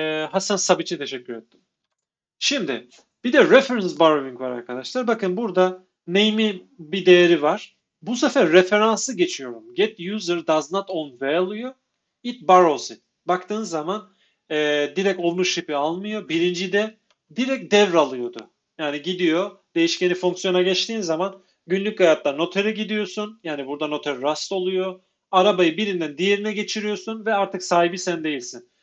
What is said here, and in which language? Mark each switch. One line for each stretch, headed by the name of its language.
Turkish: Hasan Sabiç'e teşekkür ettim. Şimdi bir de reference borrowing var arkadaşlar. Bakın burada name'in bir değeri var. Bu sefer referansı geçiyorum.
English: Get user does not own value. It borrows it.
Turkish: Baktığın zaman direkt ownership'i almıyor. Birinci de direkt devralıyordu. Yani gidiyor değişkeni fonksiyona geçtiğin zaman günlük hayatta notere gidiyorsun. Yani burada noter Rust oluyor. Arabayı birinden diğerine geçiriyorsun ve artık sahibi sen değilsin.